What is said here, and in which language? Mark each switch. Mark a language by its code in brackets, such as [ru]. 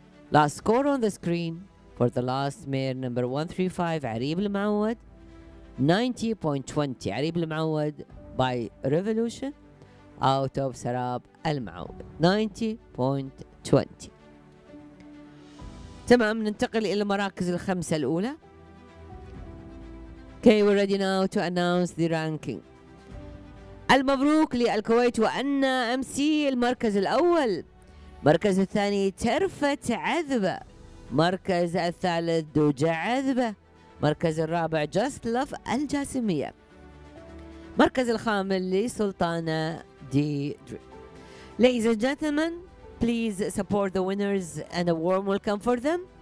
[en] Last score on the screen for the last mare number 135 عريب المعود 90.20 عريب المعود by Revolution out of سراب المعود 90.20. [ar] تمام، ننتقل إلى المراكز الخمسة الأولى. [en] Okay, we're ready now to announce the ranking. [ar] المبروك للكويت وأنا أمسي المركز الأول، مركز الثاني ترفة عذبة، مركز الثالث دوجة عذبة، مركز الرابع جاست لف الجاسمية، مركز الخامس لسلطانة دي دري. [en] Ladies and gentlemen, please support the winners and a warm welcome for them.